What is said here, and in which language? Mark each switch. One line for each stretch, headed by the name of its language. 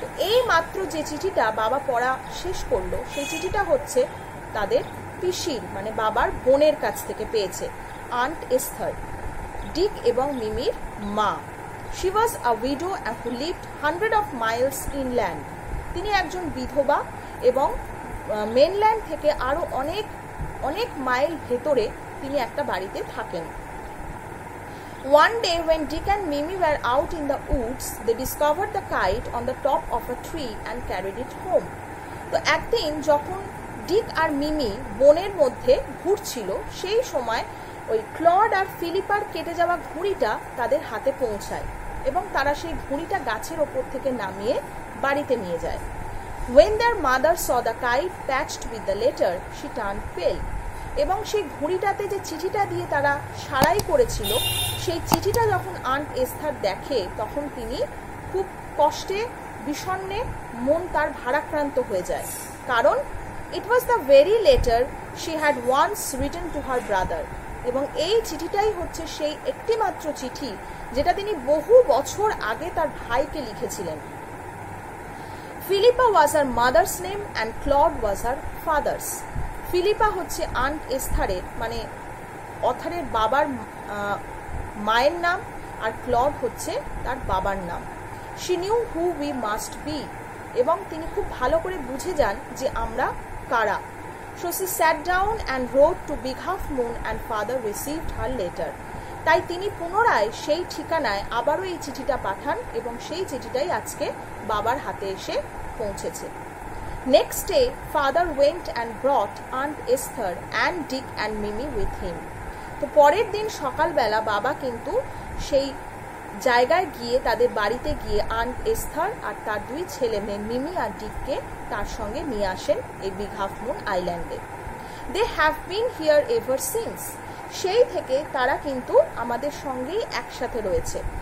Bangla: এই মাত্র যে চিঠিটা বাবা পড়া শেষ করলো, সেই চিঠিটা হচ্ছে তাদের পিসির, মানে বাবার বোনের কাছ থেকে পেয়েছে, আন্ট এস্থার, ডিক এবং মিমির মা।
English: She was a widow and who lived hundred of miles inland.
Bangla: তিনি একজন বিধবা এবং মেনল্যান্ড থেকে আরও অনেক অনেক মাইল ভেতরে তিনি একটা বাড়িতে থাকেন।
English: One day when Dick and Mimi were out in the woods, they discovered the kite on the top of a tree and carried it home.
Bangla: তো একদিন যখন ডিক আর মিমি বনের মধ্যে ঘুরছিল, সেই সময় ওই ক্লড আর ফিলিপার কেটে যাওয়া ঘুড়িটা তাদের হাতে পৌঁছায় এবং তারা সেই ঘুড়িটা গাছের ওপর থেকে নামিয়ে বাড়িতে নিয়ে যায়।
English: When their mother saw the kite patched with the letter, she turned pale.
Bangla: এবং সেই ঘুড়িটাতে যে চিঠিটা দিয়ে তারা সারাই করেছিল, সেই চিঠিটা যখন আন্ট এস্থার দেখে, তখন তিনি খুব কষ্টে বিষণ্ণে মন তার ভারাক্রান্ত হয়ে যায়।
English: কারণ it was the very letter she had once written to her brother.
Bangla: এবং এই চিঠিটাই হচ্ছে সেই একটিমাত্র চিঠি যেটা তিনি বহু বছর আগে তার ভাইকে লিখেছিলেন।
English: Philippa was our mother's name and Claude was our father's.
Bangla: Philippa হচ্ছে আন্ট এস্থারের, মানে অথারের বাবার মায়ের নাম, আর ক্লড হচ্ছে তার বাবার নাম।
English: she knew who we must be,
Bangla: এবং তিনি খুব ভালো করে বুঝে যান যে আমরা কারা।
English: So she sat down and road two বিঘাফ moon and father received her letter.
Bangla: তাই তিনি পুনরায় সেই ঠিকানায় আবারও এই চিঠিটা পাঠান এবং সেই চিঠিটাই আজকে বাবার হাতে এসে পৌঁছেছে।
English: Next day, father went and brought Aunt Esther and Dick and Mimi with him.
Bangla: তো পরের দিন সকালবেলা বাবা কিন্তু সেই জায়গায় গিয়ে, তাদের বাড়িতে গিয়ে আন্ট এস্থার আর তার দুই ছেলে মেয়ে মিমি আর ডিককে তার সঙ্গে নিয়ে আসেন এই বিঘাফমুন আইল্যান্ডে।
English: they have been here ever since,
Bangla: সেই থেকে তারা কিন্তু আমাদের সঙ্গেই একসাথে রয়েছে।